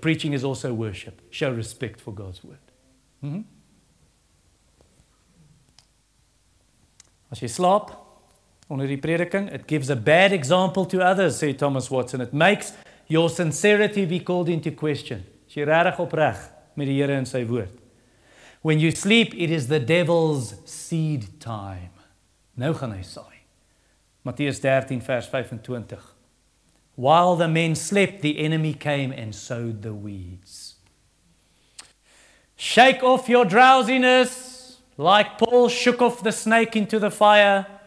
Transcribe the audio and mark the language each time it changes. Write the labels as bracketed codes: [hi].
[en] Preaching is also worship. Show respect for God's word. [af] As jy slaap, onder die prediking, [en] it gives a bad example to others, sê Thomas Watson. It makes your sincerity be called into question. [af] As jy rarig opreg met die Here en sy woord. [en] When you sleep, it is the devil's seed time. [af] Nou gaan hy saai. [en] Matteus 13 vers 25. While the men slept, the enemy came and sowed the weeds. Shake off your drowsiness, like Paul shook off the snake into the fire.